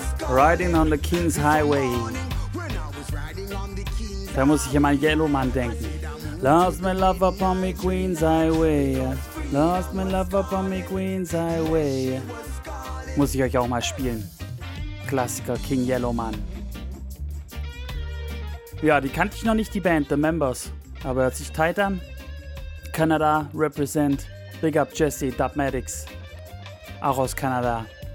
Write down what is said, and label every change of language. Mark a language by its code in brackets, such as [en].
[en] Riding on the King's Highway. [de] Da muss ich immer an Yellow Man denken. [en] Lost my love up on me Queen's Highway. Lost my love up on me Queen's Highway. [de] Muss ich euch auch mal spielen. Klassiker King Yellow Man. Ja, die kannte ich noch nicht, die Band, The Members. Aber hört sich tight an. Kanada represent. [en] Big up [de] Jesse, Dubmatics. Auch aus Kanada.